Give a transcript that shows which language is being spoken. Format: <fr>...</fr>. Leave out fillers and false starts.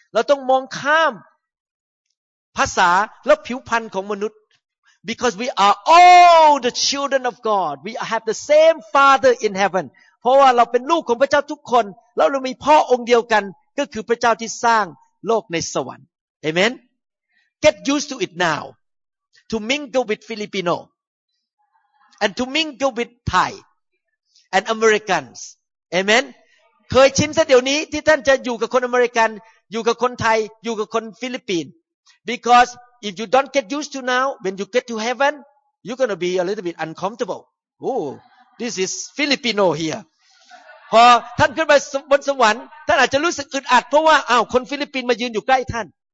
<th>เราต้องมองข้ามภาษาและผิวพรรณของมนุษย์</th> <en>because we are all the children of God. We have the same Father in heaven.</en> <th>เพราะว่าเราเป็นลูกของพระเจ้าทุกคนแล้วเรามีพ่อองค์เดียวกันก็คือพระเจ้าที่สร้างโลกในสวรรค์ Amen.</th> <en>Get used to it now to mingle with Filipino and to mingle with Thai and Americans. Amen.</en> <th>เคยชินซะเดี๋ยวนี้ที่ท่านจะอยู่กับคนอเมริกันอยู่กับคนไทยอยู่กับคนฟิลิปปินส์</th> <en>because if you don't get used to now when you get to heaven you're going to be a little bit uncomfortable oh this is filipino here</en> <th>พอท่านขึ้นไปบนสวรรค์ท่านอาจจะรู้สึกอึดอัดเพราะว่าอ้าวคนฟิลิปปินส์มายืนอยู่ใกล้ท่าน</th>